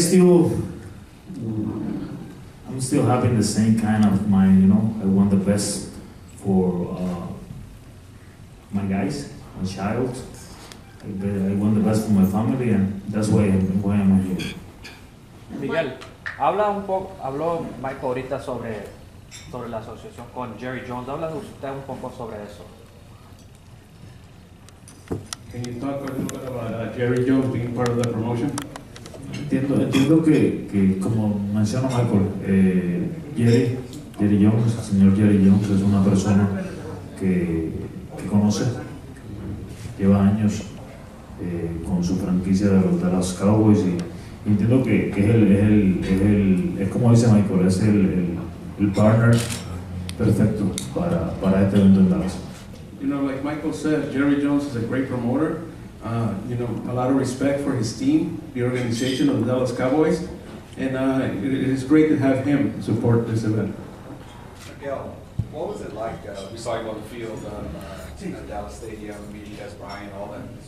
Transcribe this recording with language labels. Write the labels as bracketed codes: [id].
[en] I'm still having the same kind of mind, you know. I want the best for my guys, my child. I want the best for my family, and that's why I'm here. [es] Miguel, habla un poco, habló Michael ahorita sobre la asociación con Jerry Jones. Habla usted un poco sobre eso. [en] Can you talk a little bit about Jerry Jones being part of the promotion? [es] Entiendo que como menciona Michael, Jerry Jones, el señor Jerry Jones, es una persona que conoce, lleva años con su franquicia de los Dallas Cowboys, y entiendo que es como dice Michael, es el partner perfecto para este evento en Dallas. [en] You know, like Michael said, Jerry Jones is a great promoter. You know, a lot of respect for his team, the organization of the Dallas Cowboys, and it is great to have him support this event. Miguel, what was it like? We saw you on the field at Dallas Stadium, meeting Des Bryant, all that.